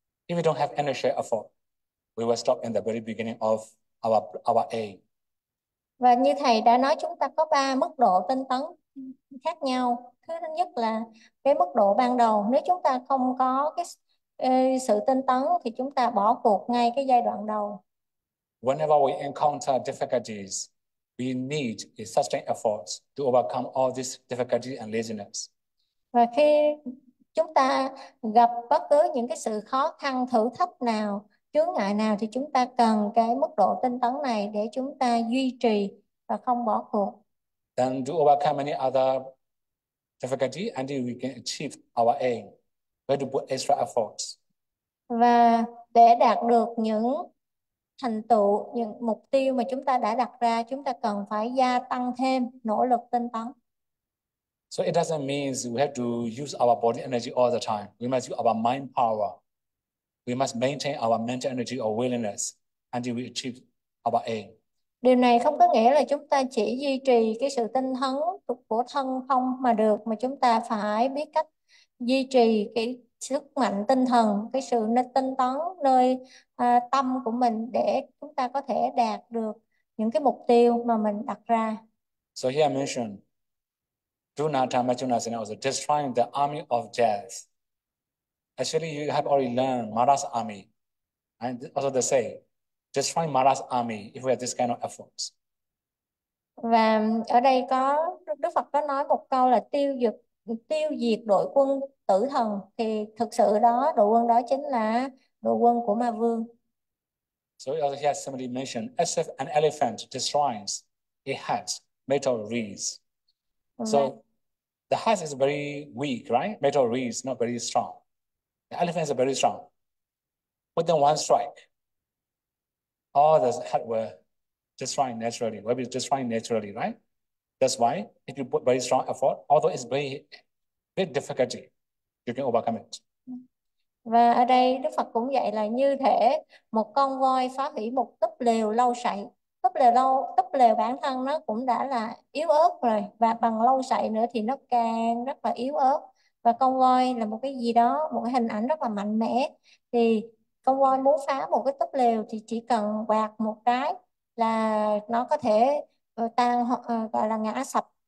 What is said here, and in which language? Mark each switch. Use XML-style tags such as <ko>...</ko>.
<en>If we don't have initial effort, we will stop in the very beginning of our aim.</en> <vi>Và như thầy đã nói, chúng ta có ba mức độ tinh tấn khác nhau. Thứ nhất là cái mức độ ban đầu. Nếu chúng ta không có cái sự tinh tấn thì chúng ta bỏ cuộc ngay cái giai đoạn đầu.</vi> <en>Whenever we encounter difficulties, we need a sustained effort to overcome all these difficulties and laziness.</en> <vi>Và khi chúng ta gặp bất cứ những cái sự khó khăn, thử thách nào, chướng ngại nào thì chúng ta cần cái mức độ tinh tấn này để chúng ta duy trì và không bỏ cuộc.</vi> <en>Then to overcome any other difficulty and then we can achieve our aim. We have to put extra efforts.</en> <vi>Và để đạt được những thành tựu, những mục tiêu mà chúng ta đã đặt ra, chúng ta cần phải gia tăng thêm nỗ lực tinh tấn.</vi> <en>So it doesn't mean we have to use our body energy all the time. We must use our mind power. We must maintain our mental energy or willingness until we achieve our aim.</en> <vi>Điều này không có nghĩa là chúng ta chỉ duy trì cái sự tinh thần của thân không mà được, mà chúng ta phải biết cách duy trì cái sức mạnh tinh thần, cái sự tinh tấn nơi tâm của mình để chúng ta có thể đạt được những cái mục tiêu mà mình đặt ra.</vi> <en>So here I mentioned Dunata Majunasena was destroying the army of death. Actually, you have already learned Mara's army. And also they say, destroying Mara's army if we have this kind of efforts.</en> <vi>Và ở đây có Đức Phật có nói một câu là tiêu diệt đội quân tử thần, thì thực sự đó, đội quân đó chính là đội quân của Ma Vương.</vi> <en>So also here somebody mentioned, as if an elephant destroys a hat made of reeds. So the hat is very weak, right? Metal reeds, not very strong. The elephant is very strong. Within one strike, all the hat were destroyed naturally, will be destroyed naturally, right? That's why if you put very strong effort, although it's very big difficulty, you can overcome it.</en> <vi>Và ở đây Đức Phật cũng dạy là như thể một con voi phá hủy một túp lều lâu sậy. Túp lều bản thân nó cũng đã là yếu ớt rồi, và bằng lâu sậy nữa thì nó càng rất là yếu ớt. Và con voi là một cái gì đó, một cái hình ảnh rất là mạnh mẽ, thì con voi muốn phá một cái túp lều thì chỉ cần quạt một cái là nó có thể tan hoặc gọi là ngã sập.</vi>